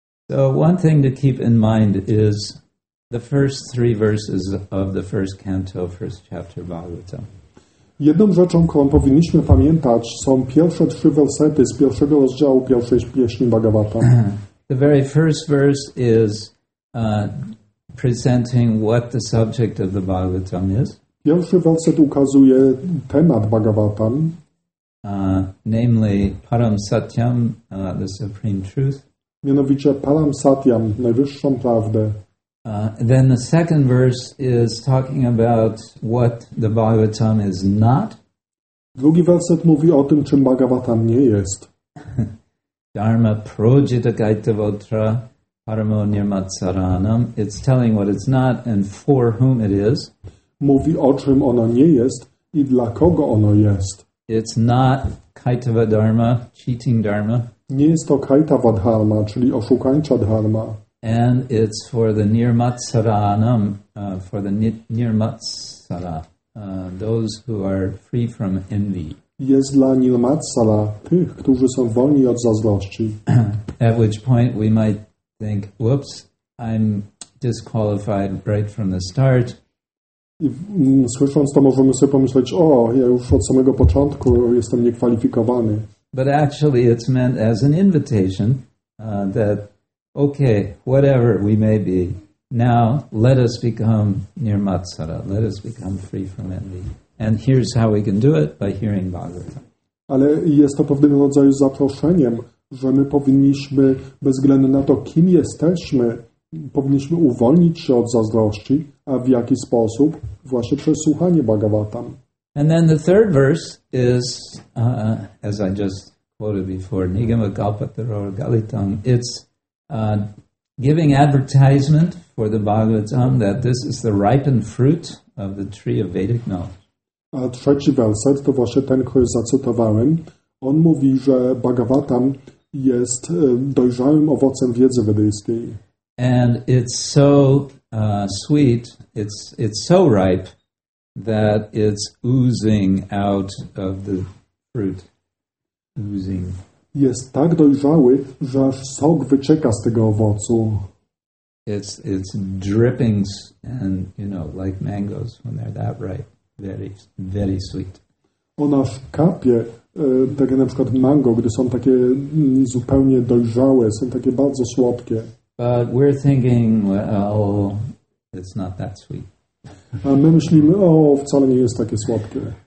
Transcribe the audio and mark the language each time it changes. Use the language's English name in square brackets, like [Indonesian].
[English] So one thing to keep in mind is the first three verses of the first canto, first chapter Bhagavatam. [Polish] Jedną rzeczą, którą powinniśmy pamiętać, są pierwsze trzy wersety z pierwszego rozdziału pierwszej pieśni Bhagavata. [English] The very first verse is presenting what the subject of the Bhagavatam is. [Polish] Pierwszy werset ukazuje temat Bhagavatam, [English] namely Param Satyam, the Supreme Truth. [Polish] Mianowicie Param Satyam, najwyższą prawdę. [English] Then the second verse is talking about what the Bhagavatam is not. [Polish] Drugi werset mówi o tym, czym Bhagavatam nie jest. [Sanskrit] Dharma Projita Gaita Votra Paramo Nirmatsaranam. [English] It's telling what it's not and for whom it is. [Polish] Mówi, o czym ono nie jest i dla kogo ono jest. [English] It's not Kaitava Dharma, cheating Dharma. [Polish] Nie jest to Kaitava Dharma, czyli oszukańcza Dharma. [English] And it's for the Nirmatsaranam, for the Nirmatsara, those who are free from envy. [Polish] Jest dla Nirmatsara, tych, którzy są wolni od zazdrości. [English] At which point we might think, whoops, I'm disqualified right from the start. [Polish] I słysząc to możemy sobie pomyśleć, o, ja już od samego początku jestem niekwalifikowany. [English] But actually it's meant as an invitation that, okay, whatever we may be, now let us become nirmatsara, let us become free from envy. And here's how we can do it, by hearing Bhagavatam. [Polish] Ale jest to pewnym rodzaju zaproszeniem, że my powinniśmy, bez względu na to, kim jesteśmy, powinniśmy uwolnić się od zazdrości, a w jaki sposób? Właśnie przez słuchanie Bhagavatam. [English] And then the third verse is, as I just quoted before, [Sanskrit] Nigama Kalpataro Galitam. [English] It's giving advertisement for the Bhagavatam that this is the ripened fruit of the tree of Vedic knowledge. [Polish] A trzeci werset, to właśnie ten, który zacytowałem, on mówi, że Bhagavatam jest dojrzałym owocem wiedzy wedyjskiej. [English] And it's so sweet, it's so ripe, that it's oozing out of the fruit. Oozing. [Polish] Jest tak dojrzały, że aż sok wycieka z tego owocu. [English] It's dripping, and you know, like mangoes, when they're that ripe. Very, very sweet. [Polish] Ona w kapie, tak jak na przykład mango, gdy są takie zupełnie dojrzałe, są takie bardzo słodkie. But we're thinking, well, it's not that sweet. A my myślimy, o, wcale nie jest takie słodkie.